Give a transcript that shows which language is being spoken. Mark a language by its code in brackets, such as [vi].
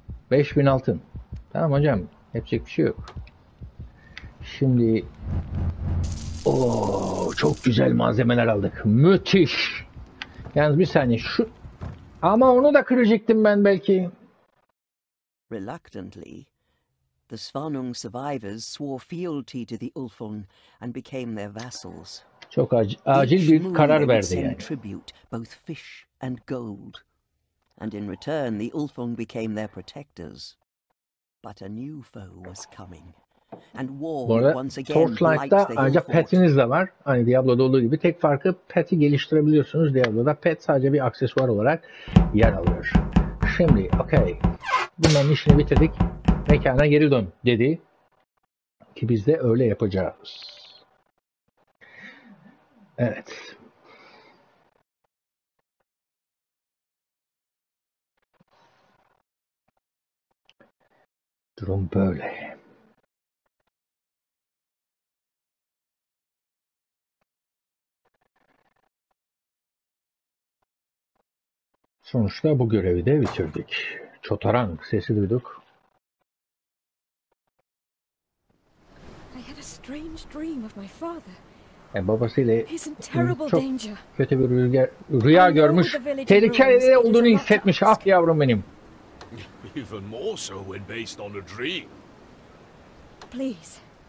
[tr] 5000 altın. Tamam hocam. Yapacak bir şey yok. Şimdi ooo çok güzel malzemeler aldık. Müthiş. Yalnız bir saniye şu ama onu da kırıcıktım ben belki. [en] Reluctantly, the Svanung survivors swore fealty to the Ulfung and became their vassals. [tr] Çok acil bir karar verdi yani. [en] Tribute, both fish and gold. And in return, the Ulfung became their protectors. But a new foe was coming, and war once again lights their fort. [tr] Bu arada Torchlight'ta ayrıca petiniz de var. Hani Diablo'da olduğu gibi tek farkı pet'i geliştirebiliyorsunuz. Diablo'da pet sadece bir aksesuar olarak yer alıyor. Şimdi, okay. Bunların işini bitirdik. Mekana geri dön dedi. Ki biz de öyle yapacağız. Evet. Durum böyle. Sonuçta bu görevi de bitirdik. Çotaran sesi duyduk. [en] I had a strange dream of my father. [tr] Babasıyla çok kötü bir rüya görmüş. Tehlikeli olduğunu hissetmiş. Ah yavrum benim. [en] Even more so when based on a dream. Please,